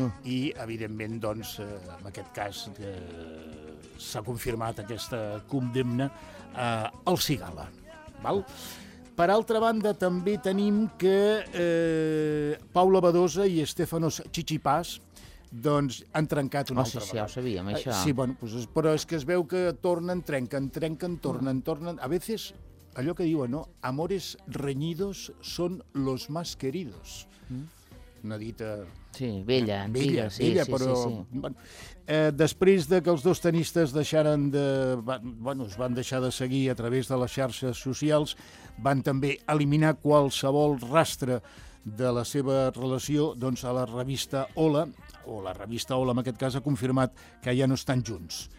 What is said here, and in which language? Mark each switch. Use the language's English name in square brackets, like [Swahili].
[Catalan] I, evidentment, doncs, en aquest cas s'ha confirmat aquesta condemna al Cigala. Val? Per altra banda, també tenim que Paula Badosa i Stefanos Tsitsipas doncs, han trencat una altra vegada. Ja ho sabíem, això. Sí, bueno, pues, però és que es veu que tornen, trenquen. [Spanish] A veces, [Catalan] allò que diuen, no? [Spanish] Amores reñidos son los más queridos. [Catalan] Una dita... Sí, vella, antiga, sí, vella, sí, però, sí, sí. Bueno, després de que els dos tenistes deixaren de... Bueno, es van deixar de seguir a través de les xarxes socials, van també eliminar qualsevol rastre de la seva relació doncs, a la revista Hola, o la revista Hola, en aquest cas, ha confirmat que ja no estan junts.